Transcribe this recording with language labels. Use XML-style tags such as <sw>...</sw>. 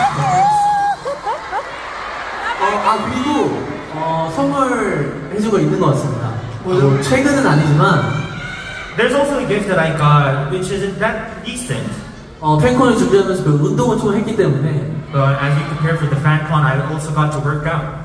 <ko>아 그리고 선물 해주고 있는 것 같습니다. 최근은 아니지만</ko> <en>There's also a gift that I got which isn't that recent.</en> <ko>팬콘을 준비하면서 그 운동을 좀 했기 때문에</ko> <en>But as you prepare for the fancon, I also got to work out.</en>